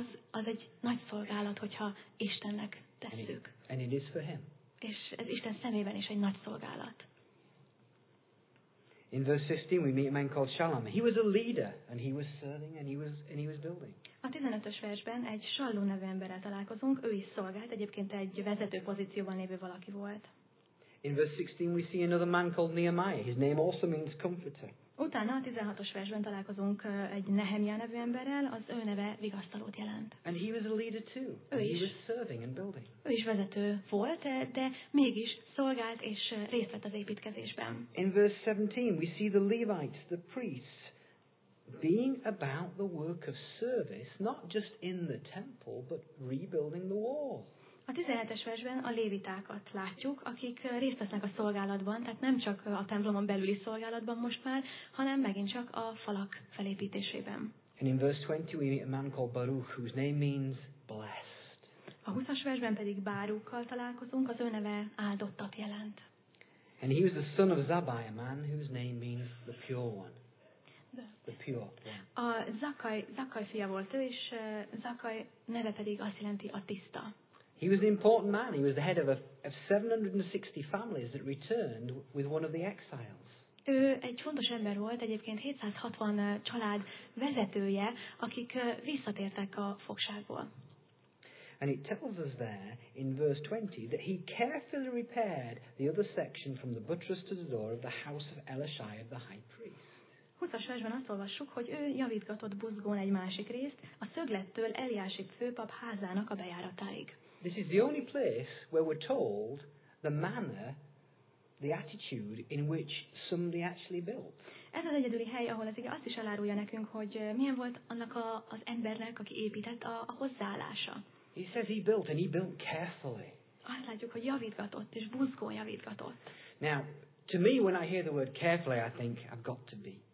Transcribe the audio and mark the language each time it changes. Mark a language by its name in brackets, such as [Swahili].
[Hungarian] Az egy nagy szolgálat, hogyha Istennek tesszük. [English] And it is for him. [Hungarian] És ez Isten szemében is egy nagy szolgálat. [English] In verse 15 we meet a man called Shallum. He was a leader and he was serving and he was building. [Hungarian] A 15. versben egy Sallú nevű emberrel találkozunk. Ő is szolgált, egyébként egy vezető pozícióban lévő valaki volt. [English] In verse 16 we see another man called Nehemiah. His name also means comforter. [Hungarian] Utána a 16. versben találkozunk egy Nehemia nevű emberrel, az ő neve vigasztalót jelent. [English] And he was a leader too. [Hungarian] Ő is. [English] He was serving and building. [Hungarian] Ő is vezető volt, de mégis szolgált és részt vett az építkezésben. [English] In verse 17 we see the Levites, the priests, being about the work of service, not just in the temple, but rebuilding the wall. [Hungarian] A 17. versben a lévitákat látjuk, akik részt vesznek a szolgálatban, tehát nem csak a templomon belüli szolgálatban most már, hanem megint csak a falak felépítésében. [English] And in verse 20 we meet a man called Baruch, whose name means blessed. [Hungarian] A 20. versben pedig Baruchkal találkozunk, az ő neve áldottat jelent. [English] And he was the son of Zabai, a man whose name means the pure one. The pure one. [Hungarian] A Zakai fia volt ő, és Zakai neve pedig azt jelenti a tiszta. [English] He was an important man. He was the head of 760 families that returned with one of the exiles. [Hungarian] Ő egy fontos ember volt, egyébként 760 család vezetője, akik visszatértek a fogságból. [English] And it tells us there in verse 20 that he carefully repaired the other section from the buttress to the door of the house of Elishai of the high priest. [Hungarian] 20-as versben azt olvassuk, hogy ő javítgatott buzgón egy másik részt a szöglettől Eliási főpap házának a bejáratáig. [English] This is the only place where we're told the manner, the attitude in which somebody actually built. [Hungarian] Ez az egyedüli hely, ahol ez azt is elárulja nekünk, hogy milyen volt annak az embernek, aki épített a hozzáállása. [English] He says he built and he built carefully. [Hungarian] Azt látjuk, hogy javítgatott és buzgón javítgatott. [English] Now, to me, when I hear the word carefully, I think I've got to be